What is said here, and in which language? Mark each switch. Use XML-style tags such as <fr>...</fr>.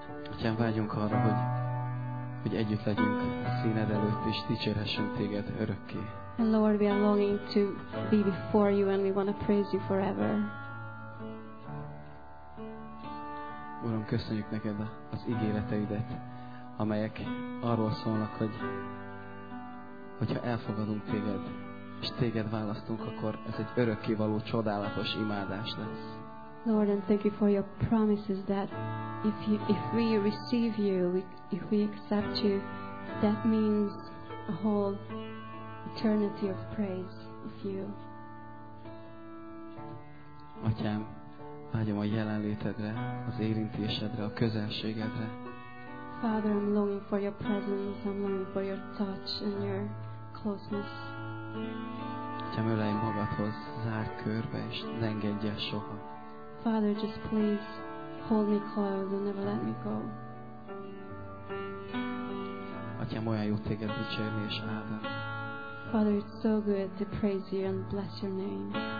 <hu>Atyám, vágyunk arra, hogy együtt legyünk a színed előtt, és dicsérhessünk téged örökké.</hu> <en>And Lord, we are longing to be before you, and we want to praise you forever.</en> <hu>Uram, köszönjük neked az ígéreteidet, amelyek arról szólnak, hogy ha elfogadunk téged, és téged választunk, akkor ez egy örökké való csodálatos imádás lesz.</hu> <en>Lord, and thank you for your promises that if we receive you, if we accept you, that means a whole eternity of praise of you.</en> <hu>Atyám, vágyom a jelenlétedre, az érintésedre, a közelségedre.</hu> <en>Father, I'm longing for your presence, I'm longing for your touch and your closeness.</en> <hu>Atyám, ölelj magadhoz zárt körbe, és ne engedj el soha.</hu> <en>Father, just please hold me close and never let me go.</en> <hu>Atyám, olyan jó téged dicsérni és áldani.</hu> <en>Father, it's so good to praise you and bless your name.</en>